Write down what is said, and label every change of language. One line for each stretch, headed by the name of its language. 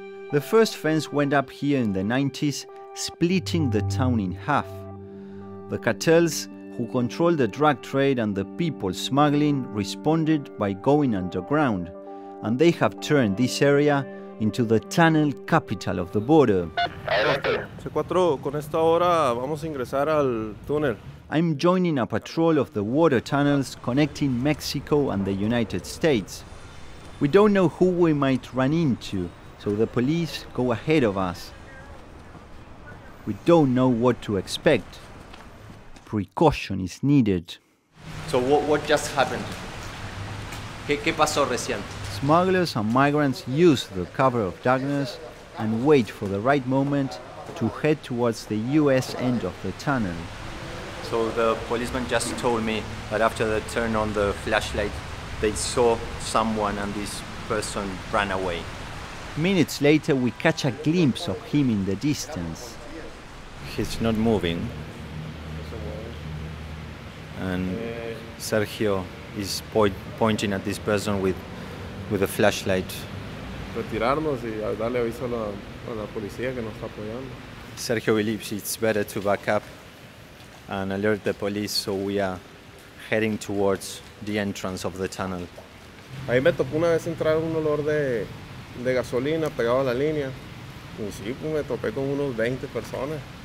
English: The first fence went up here in the 90s, splitting the town in half. The cartels who control the drug trade and the people smuggling responded by going underground, and they have turned this area into the tunnel capital of the border.
Spanish: C4, con esta hora vamos a ingresar al túnel.
English: I'm joining a patrol of the water tunnels connecting Mexico and the United States. We don't know who we might run into, so the police go ahead of us. We don't know what to expect. Precaution is needed. So what just happened?
Spanish: ¿Qué pasó recién?
English: Smugglers and migrants use the cover of darkness and wait for the right moment to head towards the US end of the tunnel. So the policeman just told me that after they turned on the flashlight, they saw someone and this person ran away. Minutes later, we catch a glimpse of him in the distance. He's not moving. And Sergio is pointing at this person with a flashlight.
Spanish: Retirarnos y darle aviso a la policía que nos está apoyando.
English: Sergio believes it's better to back up and alert the police, so we are heading towards the entrance of the tunnel.
Spanish: Ahí me topé una vez entrar un olor de gasolina pegado a la línea. Y sí, pues me topé con unos 20 personas.